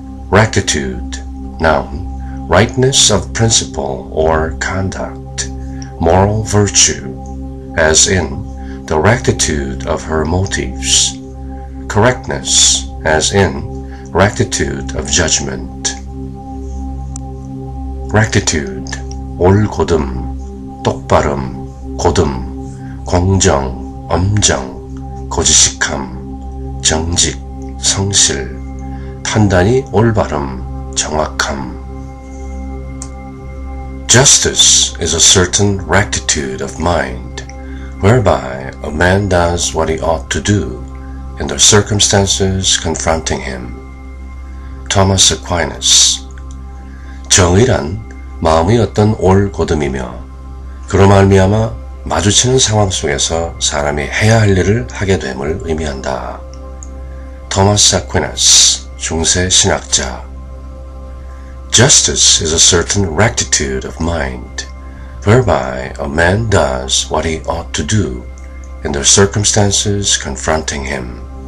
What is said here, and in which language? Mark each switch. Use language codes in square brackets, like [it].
[en] Rectitude, noun, rightness of principle or conduct, moral virtue, as in the rectitude of her motives, correctness, as in rectitude of judgment. [ko] Rectitude, 올곧음, 똑바름, 곧음, 공정, 엄정, 고지식함, 정직, 성실, 판단이 올바름, 정확함. [en] Justice is a certain rectitude of mind, whereby a man does what he ought to do in the circumstances confronting him. Thomas Aquinas. [ko] 정의란 마음의 어떤 올 곧음이며 그로 말미암아 마주치는 상황 속에서 사람이 해야 할 일을 하게 됨을 의미한다. [en] Thomas Aquinas, [ko] 중세 신학자. [en] Justice is a certain rectitude of mind, whereby a man does what he ought to do in the circumstances confronting him.